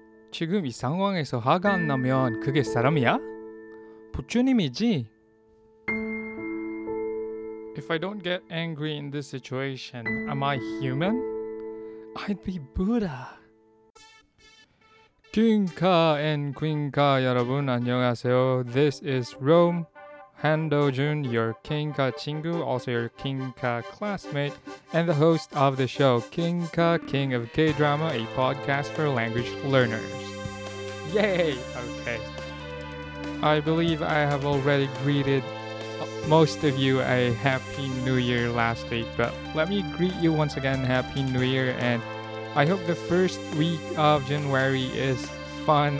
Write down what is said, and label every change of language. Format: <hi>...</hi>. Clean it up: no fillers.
<ko>지금 이 상황에서 화가 안 나면 그게 사람이야? 부처님이지?</ko> <en>If I don't get angry in this situation, am I human? I'd be Buddha.</en> <ko>귀인카 앤 귀인카 여러분 안녕하세요.</ko> <en>This is Rome. Han Dojun, your Kinka 친구, also your Kinka classmate, and the host of the show, Kinka, King of K-Drama, a podcast for language learners. Yay! Okay. I believe I have already greeted most of you a Happy New Year last week, but let me greet you once again, Happy New Year, and I hope the first week of January is fun.</en>